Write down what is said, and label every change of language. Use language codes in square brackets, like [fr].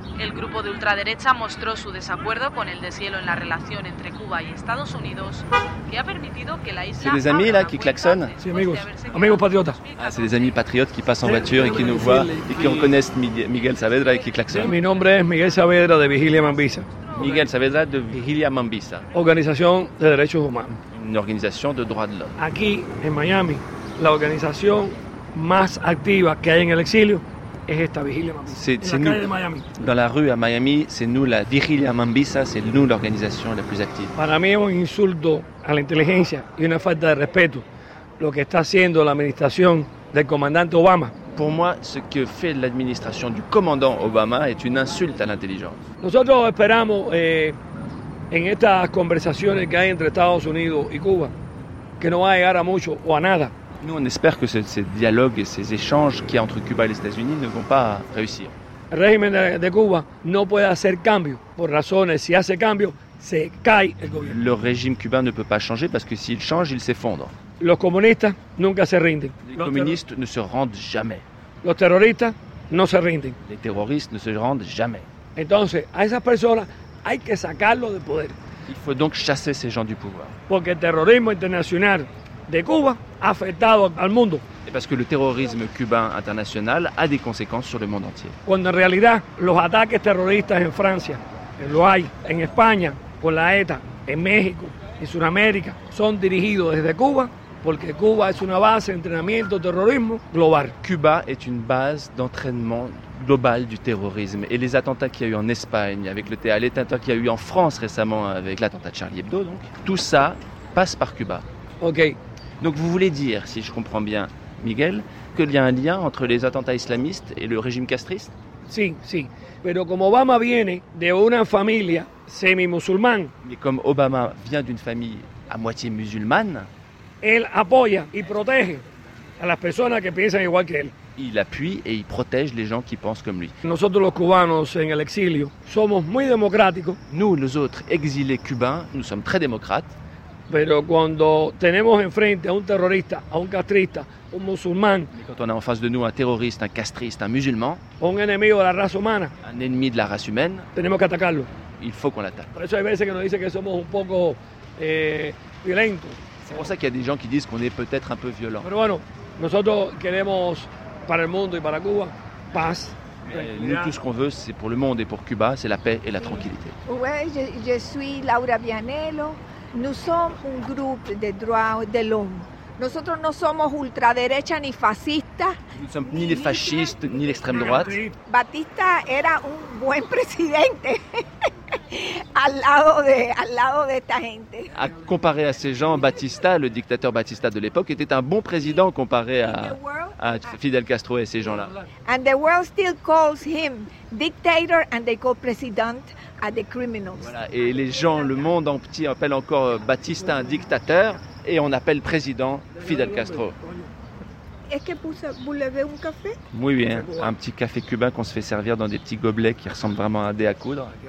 [es] El grupo de ultraderecha mostró su desacuerdo con el deshielo en la relación entre Cuba y Estados Unidos, que ha permitido que la isla. [fr] C'est des amis là qui klaxonnent. [es] Sí, amigos. Amigos patriotas. [fr] Ah, c'est des amis patriotes qui passent en voiture et qui nous voient et qui reconnaissent Miguel Saavedra et qui klaxonnent. [es] Mi nombre es Miguel Saavedra de Vigilia Mambisa. Miguel Saavedra de Vigilia Mambisa. Organización de derechos humanos. [fr] Une organisation de droits de l'homme. [es] Aquí en Miami. La organización más activa que hay en el exilio es esta Vigilia Mambisa. [fr] C'est la nous, [es] calle de Miami. [fr] Dans la rue à Miami, c'est nous la Vigilia Mambisa, c'est nous l'organisation la plus active. [es] Para mí es un insulto a la inteligencia y una falta de respeto lo que está haciendo la administración del comandante Obama. [fr] Pour moi, ce que fait l'administration du commandant Obama est une insulte à l'intelligence. [es] Nosotros esperamos en estas conversaciones que hay entre Estados Unidos y Cuba que no va a llegar a mucho o a nada. [fr] Nous, on espère que ces dialogues et ces échanges qu'il y a entre Cuba et les États-Unis ne vont pas réussir. Le régime de Cuba ne peut pas faire cambio. Pour raison, si il fait cambio, [es] se cae el gobierno. [fr] Le régime cubain ne peut pas changer parce que s'il change, il s'effondre. [es] Los comunistas nunca se rinden. [fr] Les communistes ne se rendent jamais. [es] Los terroristas no se rinden. [fr] Les terroristes ne se rendent jamais. [es] Entonces, a esas personas hay que sacarlos del poder. [fr] Il faut donc chasser ces gens du pouvoir. [es] Porque el terrorismo internacional de Cuba a afectado al mundo. [fr] Et parce que le terrorisme cubain international a des conséquences sur le monde entier. [es] Cuando en realidad los ataques terroristas en Francia, lo hay en España con la ETA, en México y Sudamérica, son dirigidos desde Cuba porque Cuba es una base de entrenamiento terrorismo global. [fr] Cuba est une base d'entraînement global du terrorisme et les attentats qu'il y a eu en Espagne avec le théâtre, l'attentat qu'il y a eu en France récemment avec l'attentat de Charlie Hebdo donc, tout ça passe par Cuba. [en] OK. [fr] Donc vous voulez dire, si je comprends bien, Miguel, qu'il y a un lien entre les attentats islamistes et le régime castriste? [es] Si, si. Pero como Obama viene de una familia semi-musulmane. [fr] Mais comme Obama vient d'une famille à moitié musulmane, [es] él apoya y protege a las personas que piensan igual que él. [fr] Il appuie et il protège les gens qui pensent comme lui. [es] Nosotros los cubanos en el exilio somos muy democráticos. [fr] Nous, les autres exilés cubains, nous sommes très démocrates. [es] Pero cuando tenemos enfrente a un terrorista, a un castrista, un musulmán, [fr] quand on a en face de nous un terroriste, un castriste, un musulman, [es] un enemigo de la raza humana, [fr] un ennemi de la race humaine, [es] tenemos que atacarlo. [fr] Il faut qu'on l'attaque. [es] Por eso hay veces que nos dicen que somos un poco violentos. [fr] C'est pour ça qu'il y a des gens qui disent qu'on est peut-être un peu violent. [es] Pero bueno, nosotros queremos para el mundo y para Cuba paz. [fr] Nous, tout ce qu'on veut, c'est pour le monde et pour Cuba, c'est la paix et la tranquillité. Ouais, je suis Laura Vianello. Nous sommes un groupe de droits de l'homme. [es] Nosotros no somos ultraderecha ni fascista. [fr] Nous sommes ni les fascistes ni l'extrême droite. [es] Batista era un buen presidente al lado de esta gente. [fr] À comparer à ces gens, Batista, le dictateur Batista de l'époque, était un bon président comparé à Fidel Castro et ces gens-là. [en] And the world still calls him dictator and they call president at the criminals. [fr] Voilà. Et les gens, le monde entier appelle encore Batista un dictateur. Et on appelle président Fidel Castro. Est-ce que vous voulez un café? Oui, bien. Un petit café cubain qu'on se fait servir dans des petits gobelets qui ressemblent vraiment à un dé à coudre.